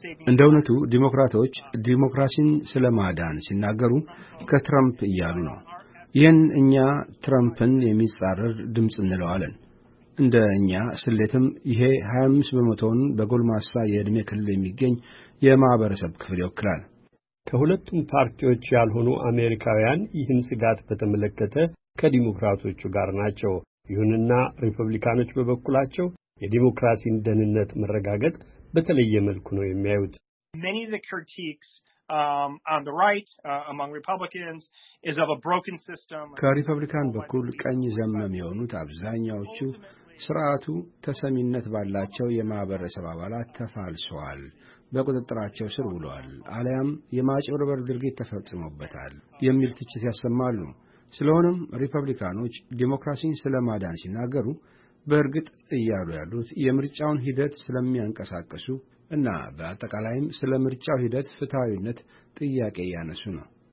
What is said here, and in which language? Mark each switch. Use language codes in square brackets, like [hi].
[am] እንደውነቱ ዲሞክራቶች ዲሞክራሲን ስለማዳን ሲናገሩ ከትራምፕ እያሉ ነው። ይህን እኛ ትራምፕን የሚጻረር ድምጽ እንለዋለን። እንደ እኛ ስሌትም ይሄ 25%ን በጎልማሳ የዕድሜ ክልል የሚገኝ የማህበረሰብ ክፍል ይወክላል። ከሁለቱም ፓርቲዎች ያልሆኑ አሜሪካውያን ይህን ስጋት በተመለከተ ከዲሞክራቶቹ ጋር ናቸው። ይሁንና ሪፐብሊካኖች በበኩላቸው የዲሞክራሲን ደህንነት መረጋጋት በተለየ መልኩ ነው የሚያዩት። [en] Many of the critiques on the right among Republicans is of a broken system. [am] ከሪፐብሊካን በኩል ቀኝ ዘመም የሆኑት አብዛኛዎቹ ስርዓቱ ተሰሚነት ባላቸው የማህበረሰብ አባላት ተፋልሷል፣ በቁጥጥራቸው ስር ውሏል፣ አለያም የማጭበርበር ድርጊት ተፈጽሞበታል የሚል ትችት ያሰማሉ። ስለሆነም ሪፐብሊካኖች ዲሞክራሲን ስለማዳን ሲናገሩ በእርግጥ እያሉ ያሉት የምርጫውን ሂደት ስለሚያንቀሳቅሱ እና በአጠቃላይም ስለ ምርጫው ሂደት ፍትሃዊነት ጥያቄ ያነሱ ነው።